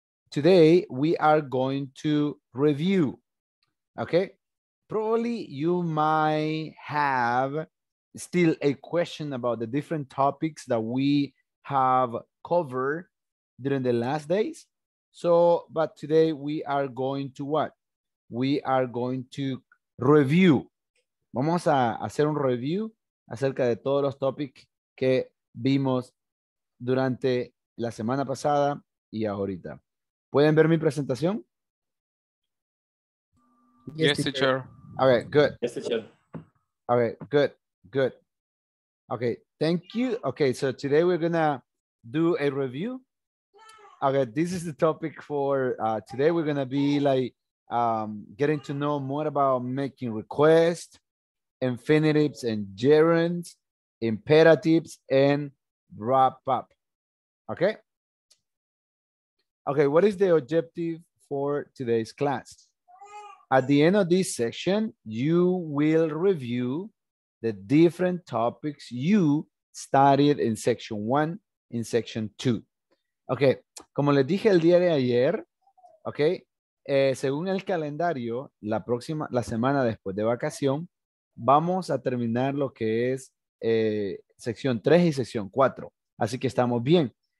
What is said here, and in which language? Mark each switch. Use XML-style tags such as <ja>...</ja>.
<en>Today we are going to review. Okay, probably you might have still a question about the different topics that we have covered during the last days. So, but today we are going to what? We are going to review.</en> <es>Vamos a hacer un review acerca de todos los topics que vimos durante la semana pasada y ahorita. ¿Pueden ver mi presentación?</es> <en>Yes, teacher. Okay, good. Yes, teacher. Okay, good, good. Okay, thank you. Okay, so today we're gonna do a review. Okay, this is the topic for today. We're gonna be like getting to know more about making requests, infinitives and gerunds, imperatives and wrap up. Okay. Okay, what is the objective for today's class? At the end of this section, you will review the different topics you studied in section one, in section two.</en> <es>Okay, como les dije el día de ayer, okay, según el calendario, la semana después de vacación, vamos a terminar lo que es sección 3 y sección 4. Así que estamos bien.</es>